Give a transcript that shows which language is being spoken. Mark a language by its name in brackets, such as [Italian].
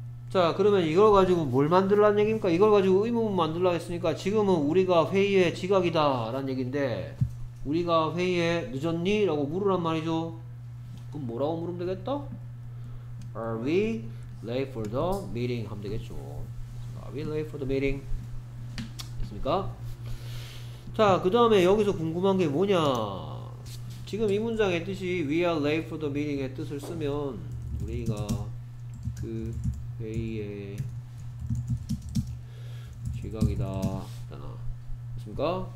[Korean] 자, 그러면 이걸 가지고 뭘 만들라는 얘기입니까? 이걸 가지고 의문문 만들라 했으니까 지금은 우리가 회의에 지각이다 라는 얘기인데 우리가 회의에 늦었니? 라고 물으란 말이죠. 그럼 뭐라고 물으면 되겠다? [English] are we late for the meeting [Korean] 하면 되겠죠. [English] are we late for the meeting. [Korean] 자, 그 다음에 여기서 궁금한 게 뭐냐. 지금 이 문장의 뜻이 [English] we are late for the meeting [Korean] 의 뜻을 쓰면 우리가 그 회의에 지각이다 했잖아. 됐습니까?